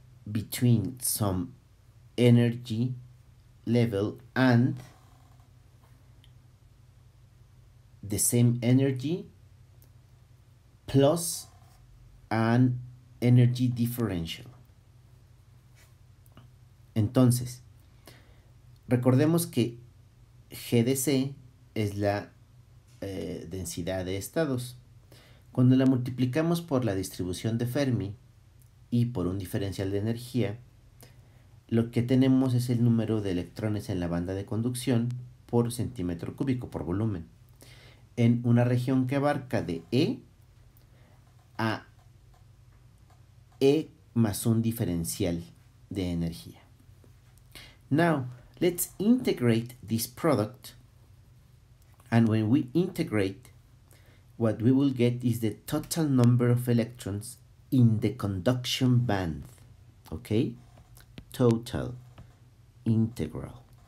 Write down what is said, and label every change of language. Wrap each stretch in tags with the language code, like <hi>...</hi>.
<en>between some energy level and the same energy plus an energy differential.</en> <es>Entonces, recordemos que GDC es la densidad de estados. Cuando la multiplicamos por la distribución de Fermi y por un diferencial de energía, lo que tenemos es el número de electrones en la banda de conducción por centímetro cúbico, por volumen, en una región que abarca de E a E más un diferencial de energía.</es> <en>Now, let's integrate this product, and when we integrate, what we will get is the total number of electrons in the conduction band. Okay? Total integral.</en>